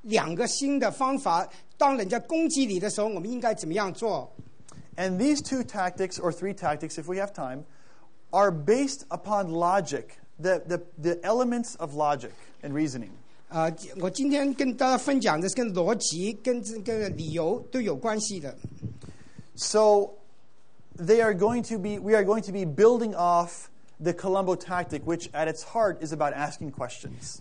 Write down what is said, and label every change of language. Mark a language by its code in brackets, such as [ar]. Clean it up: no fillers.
[zh] 那么我现在今天跟你分享是两个新的方法, 当人家攻击你的时候, 我们应该怎么样做? [en] And these two tactics, or three tactics if we have time, are based upon logic, the elements of logic and reasoning. [zh] 我今天跟大家分享的是跟逻辑、跟理由都有关系的。 [en] So, we are going to be building off the Colombo tactic, which at its heart is about asking questions.